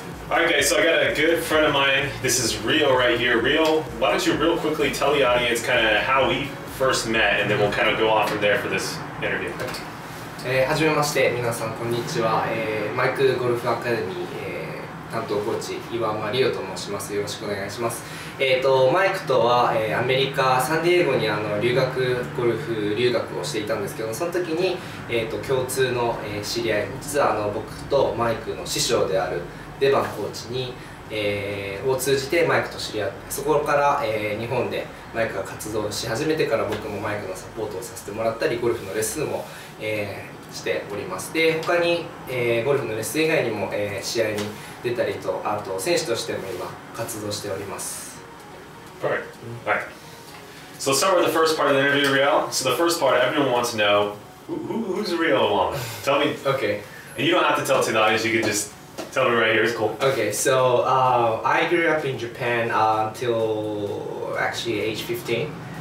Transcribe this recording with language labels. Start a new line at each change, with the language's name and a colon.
English: Alright guys, so I got a good friend of mine. This is Rio right here. Rio, why don't you real quickly tell the audience kind of how we first met, and then we'll kind of go off from there for this interview. Okay.
Japanese: はじめまして、皆さんこんにちは、マイクゴルフアカデミー、担当コーチ岩間リオと申します。よろしくお願いします。マイクとは、アメリカサンディエゴに留学ゴルフ留学をしていたんですけども、その時に、共通の、知り合い、実は僕とマイクの師匠であるデバンコーチに、を通じてマイクと知り合って、そこから、日本でマイクが活動し始めてから僕もマイクのサポートをさせてもらったり、ゴルフのレッスンもしております。で、他に、ゴルフのレッスン以外にも、試合に出たりと、あと選手としても今活動しております。
English: Alright. So let's start with the first part of the interview, Rio. So the first part, everyone wants to know who's Rio Awama? Tell me. Okay. And you don't have to tell to the audience, you can just tell me right here, it's cool. Okay, so I grew up in Japan until actually age 15.